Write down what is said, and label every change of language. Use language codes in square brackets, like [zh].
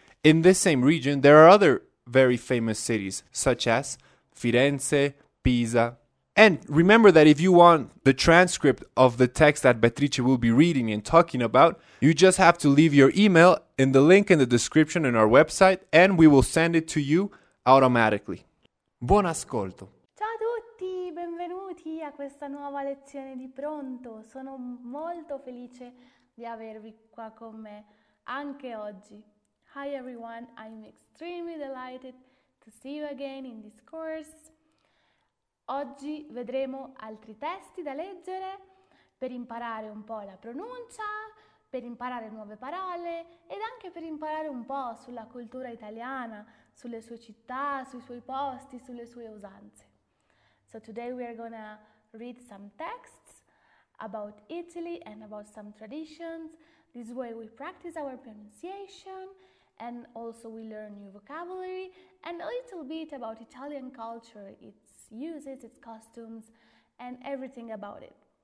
[en] In this same region, there are other very famous cities, such as Firenze, Pisa. And remember that if you want the transcript of the text that Beatrice will be reading and talking about, you just have to leave your email in the link in the description on our website and we will send it to you automatically. [it] Buon ascolto! Ciao a tutti, benvenuti a questa nuova lezione di Pronto. Sono molto felice di avervi qua con me anche oggi. [en] Hi everyone, I'm extremely delighted to see you again in this course. [it] Oggi vedremo altri testi da leggere per imparare un po' la pronuncia, per imparare nuove parole ed anche per imparare un po' sulla cultura italiana, sulle sue città, sui suoi posti, sulle sue usanze. [en] So today we are gonna read some texts about Italy and about some traditions. This way we practice our pronunciation and also we learn new vocabulary and a little bit about Italian culture, its uses, its costumes and everything about it.